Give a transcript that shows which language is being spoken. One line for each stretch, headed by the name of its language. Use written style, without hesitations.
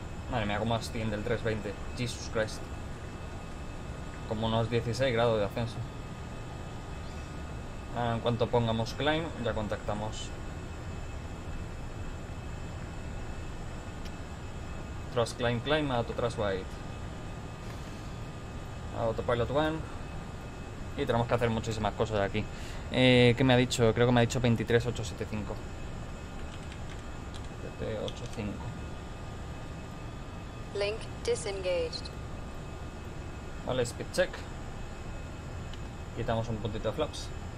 Spanish: Madre mía, como asciende el 320.
English: Jesus Christ.
Spanish: Como unos 16 grados de ascenso. En cuanto pongamos climb, ya contactamos.
English: Thrust climb, climb, auto thrust wide. Autopilot one.
Spanish: Y tenemos que hacer muchísimas cosas aquí. ¿Qué me ha dicho? Creo que me ha dicho 23875. 785.
English: Link disengaged.
Spanish: Vale, speed check. Quitamos un puntito de flaps.